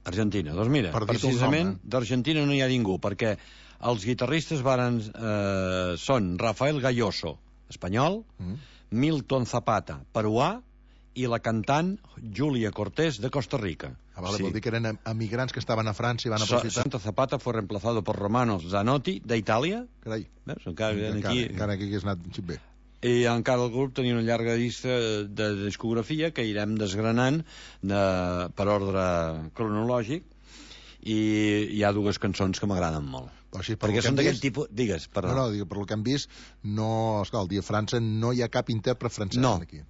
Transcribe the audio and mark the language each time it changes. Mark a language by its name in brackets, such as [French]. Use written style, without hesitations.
[Catalan] Argentina, doncs mira, precisament d'Argentina no hi ha ningú, perquè els guitarristes varen, són Rafael Galloso, espanyol, Milton Zapata, peruà, i la cantant Júlia Cortés, de Costa Rica. Ah, vale, sí. Vol dir que eren emigrants que estaven a França i van aprofitar... [Spanish] Santa Zapata fue reemplazado por Romano Zanotti, [Catalan] d'Itàlia. Carai, veus, encara que hagués anat un xip bé. I encara el grup tenia una llarga llista de discografia que irem desgranant per ordre cronològic, i hi ha dues cançons que m'agraden molt. Així, perquè són d'aquest tipus... Digues, perdó. No, per el que hem vist, no, esclar, el dia França no hi ha cap intèrpret francès aquí.